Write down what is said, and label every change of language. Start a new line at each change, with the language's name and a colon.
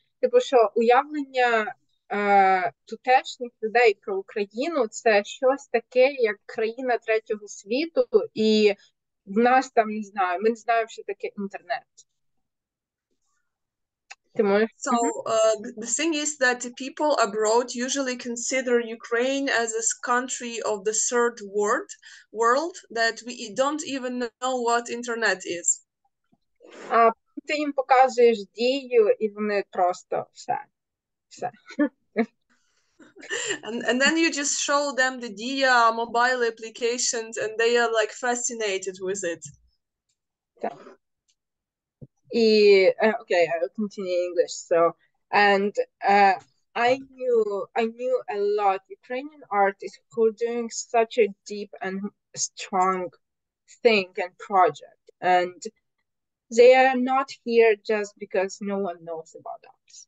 Ukrainian: Типу, що уявлення тутешніх людей про Україну – це щось таке, як країна третього світу, і в нас там, не знаю, ми не знаємо, що таке інтернет.
English: So the thing is that the people abroad usually consider Ukraine as a country of the third world that we don't even know what internet is.
Ukrainian: Ти їм показуєш дію, і вони просто все.
English: And then you just show them the Dia mobile applications, and they are like fascinated with it. Okay, I'll continue English. So, and I knew a lot of Ukrainian artists who are doing such a deep and strong thing and project, and they are not here just because no one knows about us.